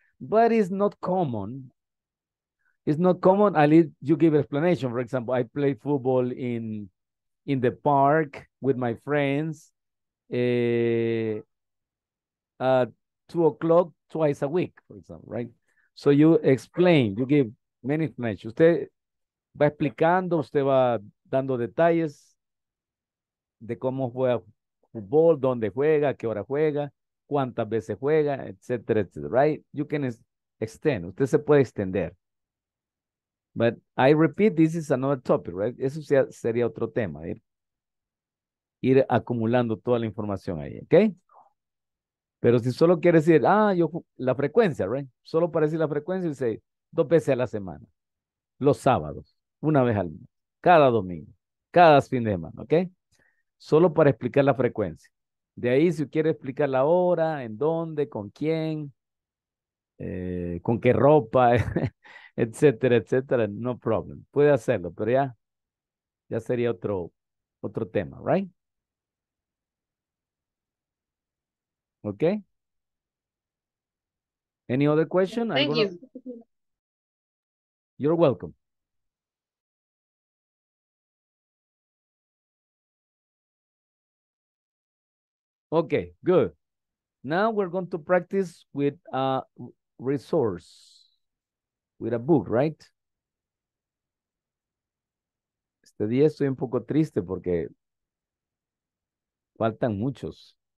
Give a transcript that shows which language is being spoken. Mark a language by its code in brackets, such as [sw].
[en] But it's not common. It's not common. At least you give explanation. For example, I play football in the park with my friends at 2 o'clock. Twice a week, for example, right? So you explain, you give many explanations. [es] Usted va explicando, usted va dando detalles de cómo juega fútbol, dónde juega, qué hora juega, cuántas veces juega, etcétera, etcétera, right? [en] You can extend, [es] usted se puede extender. [en] But I repeat, this is another topic, right? [es] Eso sería otro tema, ir acumulando toda la información ahí, okay? Pero si solo quiere decir, yo la frecuencia, right? Solo para decir la frecuencia, dice dos veces a la semana. Los sábados, una vez al mes. Cada domingo, cada fin de semana, ¿ok? Solo para explicar la frecuencia. De ahí, si quiere explicar la hora, en dónde, con quién, con qué ropa, etcétera, etcétera, [en] no problem. [es] Puede hacerlo, pero ya sería otro tema, right? [en] Okay. Any other question? Thank you. You're welcome. Okay, good. Now we're going to practice with a resource, with a book, right? [es] Este día estoy un poco triste porque faltan muchos.